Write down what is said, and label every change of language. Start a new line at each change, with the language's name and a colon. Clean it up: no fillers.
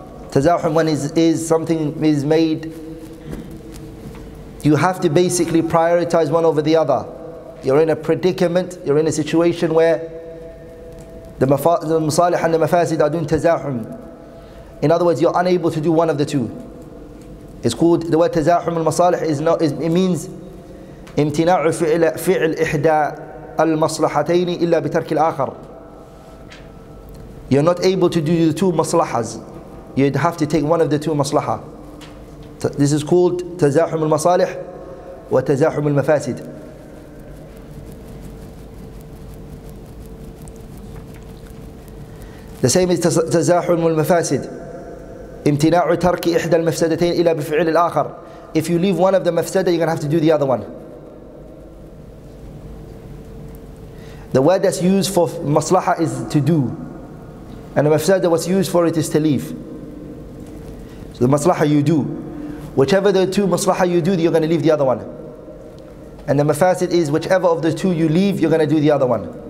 English: تزاحم, when is something is made, you have to basically prioritize one over the other. You're in a predicament, you're in a situation where the masalih and the mafasid are doing تزاحم. In other words, you're unable to do one of the two. It's called, the word
Arabic: تزاحم المصالح
English: it means
Arabic: امتناع فعل إحدى المصلحتين إلا بترك الآخر.
English: You're not able to do the two maslahas. You'd have to take one of the two maslaha. This is called
Arabic: تزاحم المصالح وتزاحم المفاسد.
English: The same is
Arabic: تزاحم المفاسد. امتناع ترك إحدى المفسدتين إلى بفعل الآخر.
English: If you leave one of the mafsada, you're going to have to do the other one. The word that's used for maslaha is to do. And the mafsada, what's used for it is to leave. So the maslaha you do. Whichever the two maslaha you do, you're going to leave the other one. And the mafasid is whichever of the two you leave, you're going to do the other one.